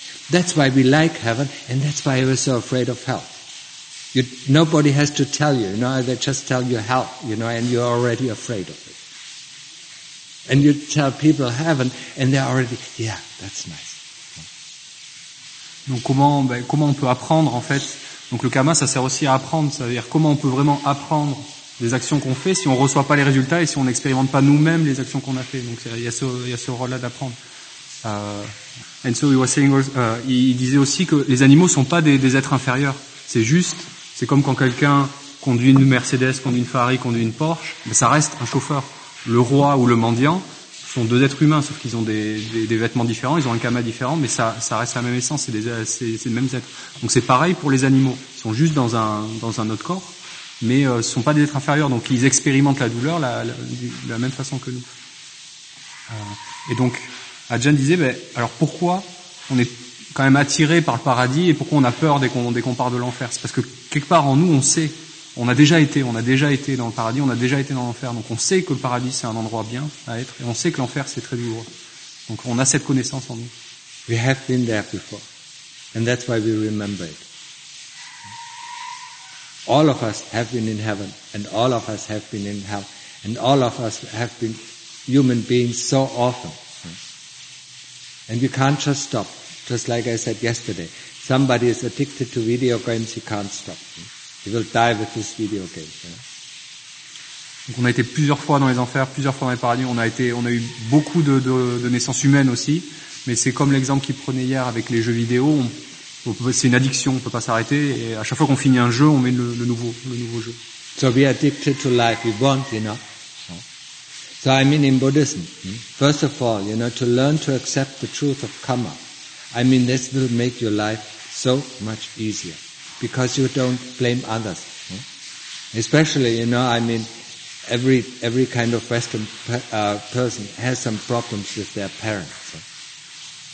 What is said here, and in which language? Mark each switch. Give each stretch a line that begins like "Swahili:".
English: That's why we like heaven, and that's why we're so afraid of hell. Nobody has to tell you, you know, they just tell you hell, you know, and you're already afraid of it. And you tell people heaven, and they're already, yeah, that's nice.
French: Donc comment on peut apprendre, en fait? Donc le karma, ça sert aussi à apprendre, c'est-à-dire comment on peut vraiment apprendre des actions qu'on fait si on reçoit pas les résultats et si on n'expérimente pas nous-mêmes les actions qu'on a fait. Donc il y a ce rôle-là d'apprendre.
English: And so he was saying,
French: il disait aussi que les animaux sont pas des êtres inférieurs. C'est juste, c'est comme quand quelqu'un conduit une Mercedes, conduit une Ferrari, conduit une Porsche, mais ça reste un chauffeur. Le roi ou le mendiant sont deux êtres humains, sauf qu'ils ont des vêtements différents, ils ont un karma différent, mais ça reste la même essence, c'est les mêmes êtres. Donc c'est pareil pour les animaux. Ils sont juste dans un autre corps, mais ce sont pas des êtres inférieurs, donc ils expérimentent la douleur de la même façon que nous. Et donc Ajahn disait, alors pourquoi on est quand même attiré par le paradis et pourquoi on a peur dès qu'on part de l'enfer? C'est parce que quelque part en nous, on sait, on a déjà été dans le paradis, on a déjà été dans l'enfer, donc on sait que le paradis c'est un endroit bien à être et on sait que l'enfer c'est très douloureux. Donc on a cette connaissance en nous.
English: We have been there before, and that's why we remember it. All of us have been in heaven, and all of us have been in hell, and all of us have been human beings so often. And you can't just stop. Just like I said yesterday, somebody is addicted to video games, he can't stop. He will die with this video game. You know?
French: Donc on a été plusieurs fois dans les enfers, plusieurs fois dans les paradis, on a eu beaucoup de naissances humaines aussi, mais c'est comme l'exemple qu'il prenait hier avec les jeux vidéo, c'est une addiction, on peut pas s'arrêter, et à chaque fois qu'on finit un jeu, on met le nouveau jeu.
English: So we are addicted to life, we want, you know. So I mean in Buddhism, first of all, you know, to learn to accept the truth of karma, I mean this will make your life so much easier because you don't blame others. Especially, you know, I mean every kind of Western person has some problems with their parents.